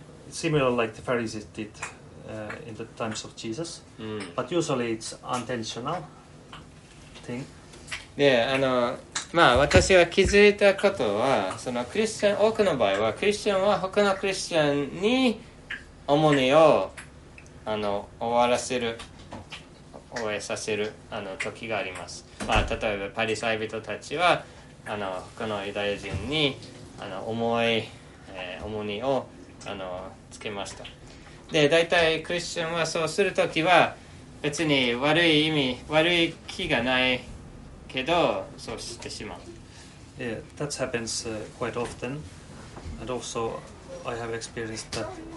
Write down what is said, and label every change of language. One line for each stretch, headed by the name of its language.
English: Similar like the Pharisees did in the times of Jesus. But usually it's intentional thing.
Japanese: Yeah, あの、まあ私は気づいたことは、そのクリスチャン、多くの場合はクリスチャンは他のクリスチャンに重荷をあの終わらせる、終えさせるあの時があります。まあ例えばパリサイ人たちはあの他のユダヤ人にあの重い、重荷をあのつけました。で、大体クリスチャンはそうするときは別に悪い意味、悪い気がないけどそうしてしまう。
English: Yeah, that happens quite often, and also I have experienced that.